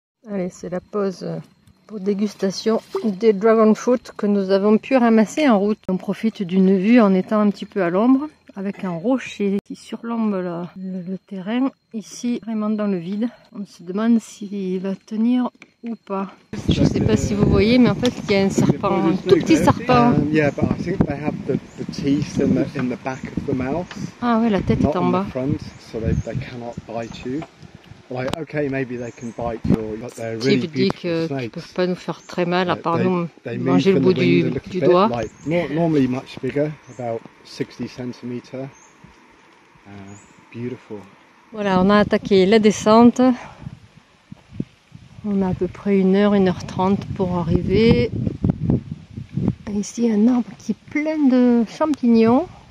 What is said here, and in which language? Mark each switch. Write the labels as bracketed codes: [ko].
[fr] Allez, c'est la pause pour dégustation des dragon fruit que nous avons pu ramasser en route. On profite d'une vue en étant un petit peu à l'ombre, avec un rocher qui surlombe le terrain. Ici, vraiment dans le vide, on se demande s'il va tenir ou pas. Je ne sais pas si vous voyez, mais en fait, il y a un serpent, un tout petit serpent. [en] Yeah, but I think they have the teeth in the back of the mouth. [fr] Ah ouais, la tête est en bas. [en] Not on the front, so they cannot bite you. Like, okay, maybe they can bite you, but they're really beautiful snakes. [fr] Qui dit qu'ils ne peuvent pas nous faire très mal, à part nous manger le bout du doigt. [en] Normally much bigger, about 60 centimeters. Beautiful. [fr] Voilà, on a attaqué la descente. On a à peu près 1h, 1h30 pour arriver. Et ici, un arbre qui est plein de champignons.